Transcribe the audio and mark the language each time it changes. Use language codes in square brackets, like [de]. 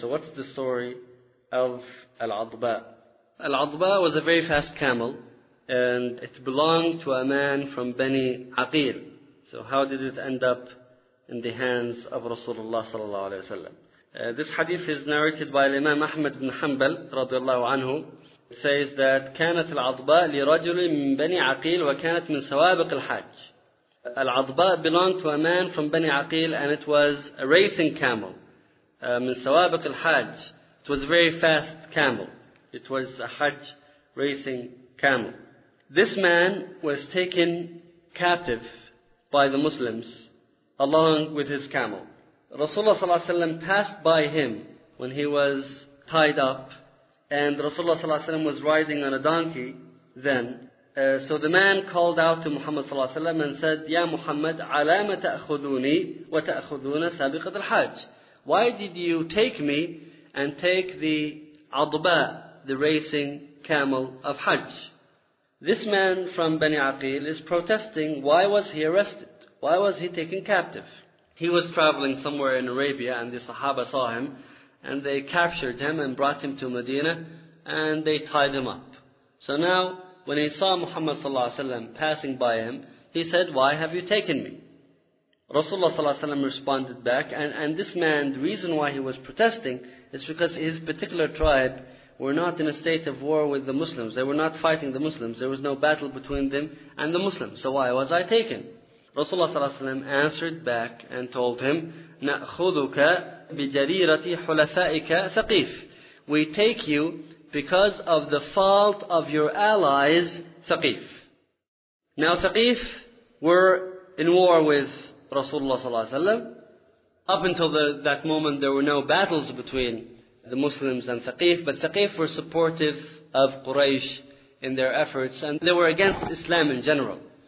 [en] So what's the story of Al-Adba? Al-Adba was a very fast camel, and it belonged to a man from Bani Aqil. So how did it end up in the hands of Rasulullah sallallahu alayhi wa sallam? This hadith is narrated by Imam Ahmad ibn Hanbal radiallahu anhu. It says that [ar] كانت العضباء لرجل من بني عقيل وكانت من سوابق الحج. [en] العضباء belonged to a man from Bani Aqil, and it was a racing camel. [ar] من سوابق الحج. [en] It was a very fast camel. It was a Hajj racing camel. This man was taken captive by the Muslims along with his camel. Rasulullah صلى الله عليه وسلم passed by him when he was tied up, and Rasulullah صلى الله عليه وسلم was riding on a donkey then. So the man called out to Muhammad صلى الله عليه وسلم and said, [ar] يا محمد علام تأخذوني وتأخذون سابقة الحج. [en] Why did you take me and take the عضباء, the racing camel of Hajj? This man from Bani Aqil is protesting, why was he arrested? Why was he taken captive? He was traveling somewhere in Arabia, and the Sahaba saw him, and they captured him and brought him to Medina, and they tied him up. So now, when he saw Muhammad صلى الله عليه وسلم passing by him, he said, why have you taken me? Rasulullah صلى الله عليه وسلم responded back, and this man, the reason why he was protesting, is because his particular tribe were not in a state of war with the Muslims. They were not fighting the Muslims. There was no battle between them and the Muslims. So why was I taken? Rasulullah صلى الله عليه وسلم answered back and told him, [ar] نأخذك بجريرة حلفائك ثقيف. [en] We take you because of the fault of your allies, ثقيف. Now ثقيف were in war with Rasulullah صلى الله عليه وسلم. Up until that moment, there were no battles between the Muslims and ثقيف, but ثقيف were supportive of Quraysh in their efforts, and they were against Islam in general.